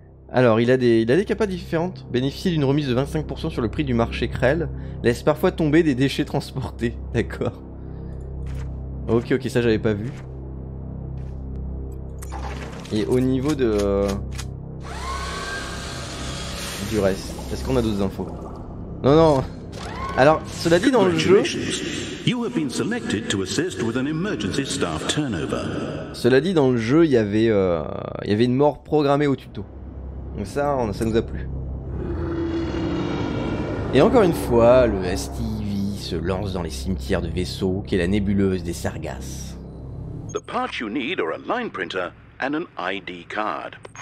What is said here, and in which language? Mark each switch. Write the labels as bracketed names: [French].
[French] Alors, il a des capas différentes. Bénéficier d'une remise de 25% sur le prix du marché Krell laisse parfois tomber des déchets transportés. D'accord. Ok, ok, ça j'avais pas vu. Et au niveau de... Du reste, est-ce qu'on a d'autres infos? Non, non. Alors, cela dit, dans le jeu... [English] You have been selected to assist with an emergency staff turnover. [French] Cela dit, dans le jeu, il y avait une mort programmée au tuto. Donc ça nous a plu. Et encore une fois, le STV se lance dans les cimetières de vaisseaux qu'est la nébuleuse des Sargasses. [English] The parts you need are a line printer and an ID card.